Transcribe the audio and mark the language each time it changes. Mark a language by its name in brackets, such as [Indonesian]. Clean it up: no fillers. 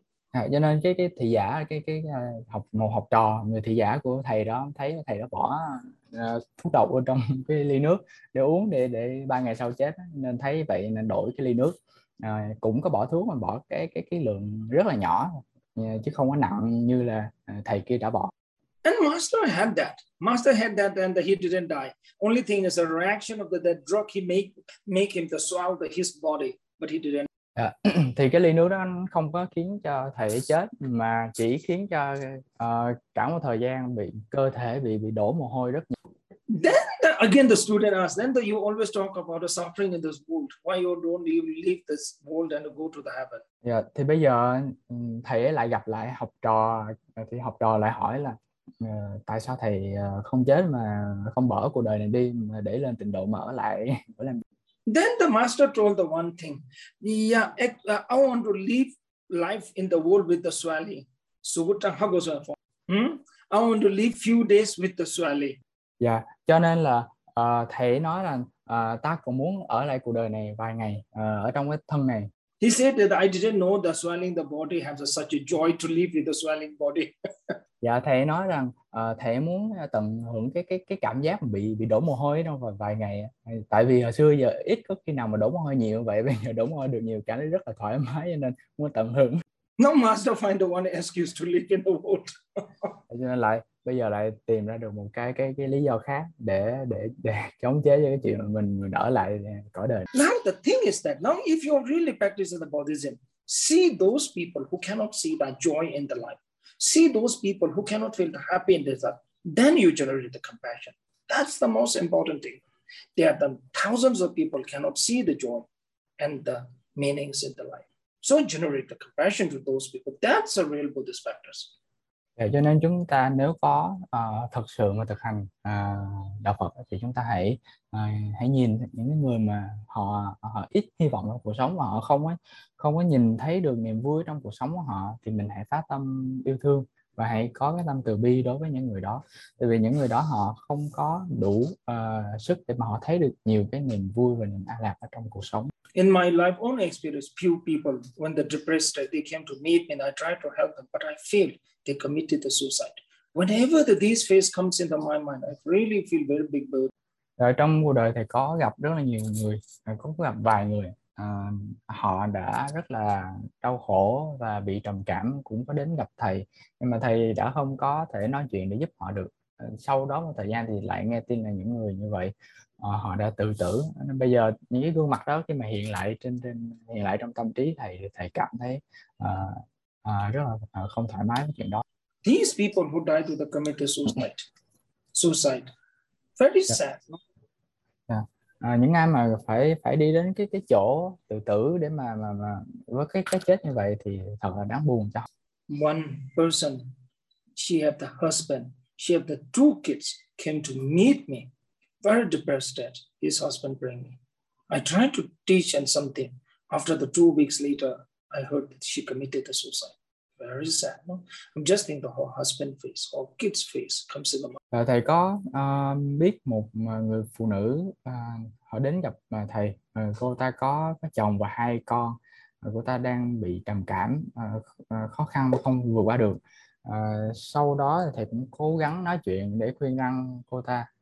[Vietnamese] À, cho nên cái thị giả cái học một học trò người thị giả của thầy đó thấy thầy đó bỏ thuốc độc vào trong cái ly nước để uống để 3 ngày sau chết nên thấy vậy nên đổi cái ly nước cũng có bỏ thuốc mà bỏ cái lượng rất là nhỏ chứ không có nặng như là thầy kia đã bỏ. [English] And master had that and he didn't die. Only thing is a reaction of the drug he make him to swallow his body, but he didn't. [Vietnamese] Thì cái ly nước đó không có khiến cho thầy chết mà chỉ khiến cho cả một thời gian bị cơ thể bị đổ mồ hôi rất [English] Then again the student asked, then you always talk about the suffering in this world. Why you don't you leave this world and go to the heaven? [Vietnamese] nhiều. Thì bây giờ thầy lại gặp lại học trò, thì học trò lại hỏi là tại sao thầy không chết mà không bỏ cuộc đời này đi mà để lên tịnh độ mà ở lại để làm. [English] Then the master told the one thing. I want to live life in the world with the swali. I want to live few days with the swali. [Vietnamese] Cho nên là thầy nói là ta cũng muốn ở lại cuộc đời này vài ngày ở trong cái thân này. [English] He said that I didn't know the swelling the body has such a joy to live with the swelling body. [Vietnamese] Dạ thầy nói rằng thầy muốn tận hưởng cái cảm giác bị đổ mồ hôi trong vài ngày, tại vì hồi xưa giờ ít có khi nào mà đổ mồ hôi nhiều vậy, bây giờ đổ mồ hôi được nhiều cảm thấy rất là thoải mái cho nên muốn tận hưởng. [English] No master find the one excuse to live in the [Vietnamese] Cho nên lại bây giờ lại tìm ra được một cái lý do khác để chống chế cho cái chuyện mình ở lại cõi đời. [English] Now the thing is that now if you really practice in the Buddhism, see those people who cannot see the joy in the life, see those people who cannot feel the happy in the life, then you generate the compassion. That's the most important thing. There are the thousands of people cannot see the joy and the meanings in the life. So generate the compassion to those people. That's a real Buddhist practice. [Vietnamese] Vậy cho nên chúng ta nếu có thật sự mà thực hành đạo Phật thì chúng ta hãy hãy nhìn những người mà họ họ ít hy vọng trong cuộc sống, mà họ không có nhìn thấy được niềm vui trong cuộc sống của họ, thì mình hãy phát tâm yêu thương và hãy có cái tâm từ bi đối với những người đó, tại vì những người đó họ không có đủ sức để mà họ thấy được nhiều cái niềm vui và niềm an lạc ở trong cuộc sống. [English] In my life, own experience, few people, when they're depressed, they came to meet me and I tried to help them, but I failed. They committed the suicide. Whenever this face comes into my mind, I really feel very big burden. [Vietnamese] Rồi trong cuộc đời thầy có gặp rất là nhiều người, cũng gặp vài người họ đã rất là đau khổ và bị trầm cảm, cũng có đến gặp thầy nhưng mà thầy đã không có thể nói chuyện để giúp họ được. Sau đó một thời gian thì lại nghe tin là những người như vậy họ đã tự tử. Nên bây giờ những cái gương mặt đó khi mà hiện lại trên trên hiện lại trong tâm trí thầy thì thầy cảm thấy rất là không thoải mái với chuyện đó. [English] These people who died to the committed suicide. Very sad. [Vietnamese] Những ai mà phải phải đi đến cái chỗ tự tử để mà với cái chết như vậy thì thật là đáng buồn cho họ. [English] One person, she had the husband, she had the two kids came to meet me. Very depressed that his husband bring me. I tried to teach and something. After the 2 weeks later, I heard that she committed the suicide. Very sad, no? I'm just thinking the whole husband face or kid's face comes in the mind. [Vietnamese] Thầy có biết một người phụ nữ họ đến gặp thầy, cô ta có chồng và hai con, cô ta đang bị trầm cảm, khó khăn không vượt qua được. Sau đó thầy cũng cố gắng nói chuyện để khuyên răn cô ta.